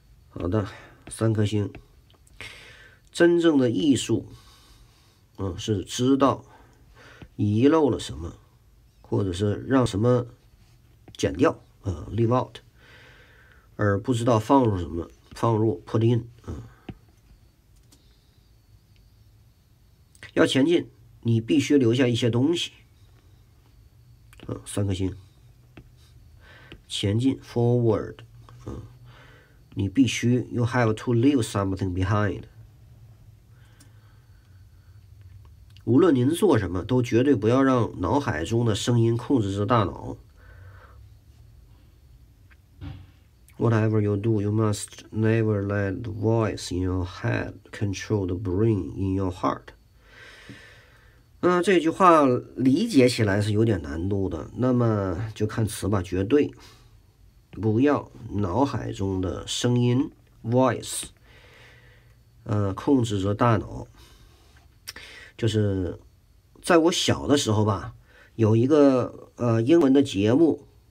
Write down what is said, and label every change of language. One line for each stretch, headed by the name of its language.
Chinese: 好的，三颗星。真正的艺术是知道遗漏了什么或者是让什么减掉
English: leave out，
Chinese: 而不知道放入什么，放入
English: put in
Chinese: 要前进，你必须留下一些东西三颗星。前进
English: forward
Chinese: 你必须
English: you have to leave something behind。
Chinese: 无论您做什么都绝对不要让脑海中的声音控制着大脑。
English: Whatever you do, you must never let the voice in your head control the brain in your heart。
Chinese: 这句话理解起来是有点难度的，那么就看词吧。绝对不要脑海中的声音 voice 控制着大脑。就是在我小的时候吧，有一个英文的节目